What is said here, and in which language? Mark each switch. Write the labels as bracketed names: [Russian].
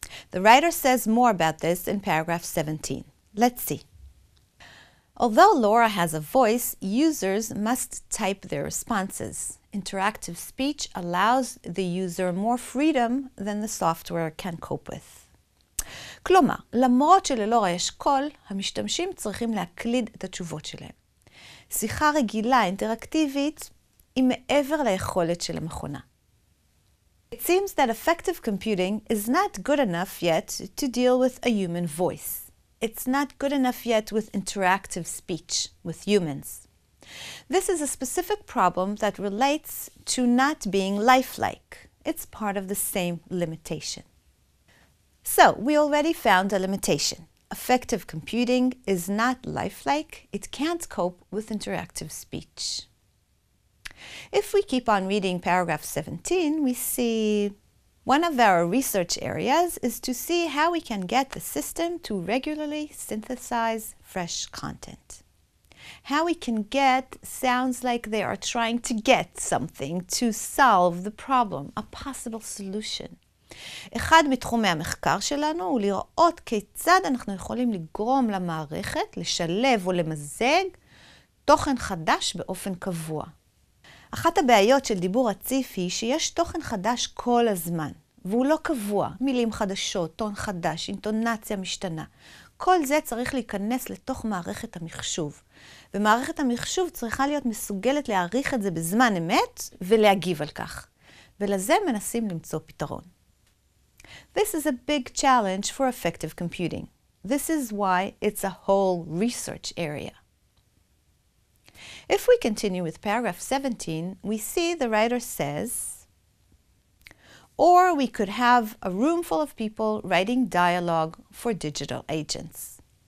[English] The writer says more about this in paragraph 17. Let's see. Although Laura has a voice, users must type their responses. Interactive speech allows the user more freedom than the software can cope with. [Hebrew] כלומר, למרות שללאורה יש קול, המשתמשים צריכים להקליד את התשובות שלהם. שיחה רגילה, אינטראקטיבית, היא מעבר ליכולת של המכונה. [English] It seems that effective computing is not good enough yet to deal with a human voice. It's not good enough yet with interactive speech, with humans. This is a specific problem that relates to not being lifelike. It's part of the same limitation. So, we already found a limitation. Effective computing is not lifelike. It can't cope with interactive speech. If we keep on reading paragraph 17, we see one of our research areas is to see how we can get the system to regularly synthesize fresh content. How we can get sounds like they are trying to get something to solve the problem, a possible solution. [Hebrew] אחד מתחומי המחקר שלנו הוא לראות כיצד אנחנו יכולים לגרום למערכת לשלב או למזג תוכן חדש באופן קבוע. אחת הבעיות של דיבור רציף היא שיש תוכן חדש כל הזמן, והוא לא קבוע. מילים חדשות, טון חדש, אינטונציה משתנה. כל זה צריך להיכנס לתוך מערכת המחשוב. ומערכת המחשוב צריכה להיות מסוגלת להעריך את זה בזמן אמת ולהגיב על כך. ולזה מנסים למצוא פתרון. [English] This is a big challenge for effective computing. This is why it's a whole research area. If we continue with paragraph 17, we see the writer says, or we could have a room full of people writing dialogue for digital agents.